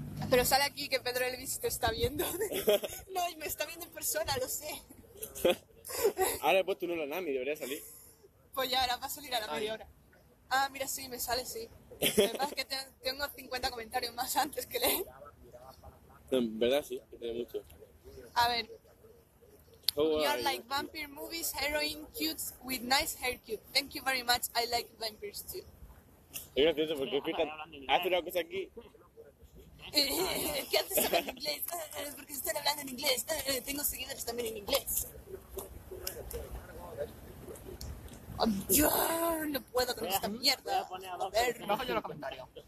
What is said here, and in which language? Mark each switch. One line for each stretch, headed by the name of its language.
Spanish: Pero sale aquí que Pedro Elvis te está viendo. No, y me está viendo en persona, lo sé. Ahora he puesto uno a Nami, debería salir. Pues ya, ahora va a salir a la media hora. Ah, mira, sí, me sale, sí. Además que tengo 50 comentarios más antes que leer. No, en verdad, sí, tiene mucho. A ver.
English: Oh, wow. You are like vampire movies, heroine, cute, with nice hair cute. Thank you very much, I like vampires too.
Spanish: Es gracioso porque explica, hace una cosa aquí. ¿Qué haces hablando en inglés? Porque están hablando en inglés. Tengo seguidores también en inglés. Oh, yo no puedo con esta mierda. Joder. Bajo yo los comentarios.